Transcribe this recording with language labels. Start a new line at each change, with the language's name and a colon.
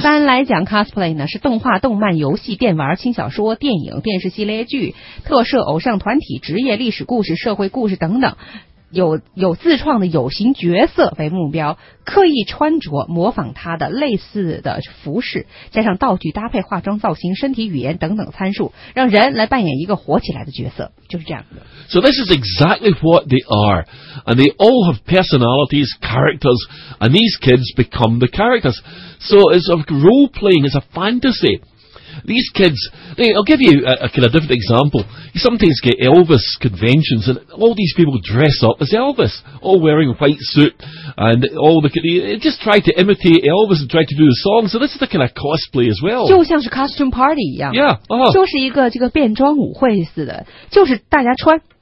Chinese: 一般来讲, cosplay 呢, 是动画, 动漫, 游戏, 电玩, 轻小说, 电影, 电视系列剧, 特摄, 偶像, 团体, 职业, 历史故事, 社会故事, 等等, 有自创的, 有形角色, 为目标, 刻意穿着, 模仿他的, 类似的服饰, 加上道具, 搭配, 化妆, 造型, 身体, 语言, 等等, 参数, 让人来扮演一个活起来的角色, 就是这样的。
English: So this is exactly what they are. And they all have personalities, characters, and these kids become the characters. So it's a role-playing, it's a fantasy. These kids, I'll give you a kind of different example. You sometimes get Elvis conventions, and all these people dress up as Elvis, all wearing a white suit, and all the kids just try to imitate Elvis and try to do the song. So this is the kind of cosplay as well.
Chinese: 就像是 costume party一样。
English: Yeah. Uh-huh.
Chinese: 就是一个这个变装舞会似的，就是大家穿。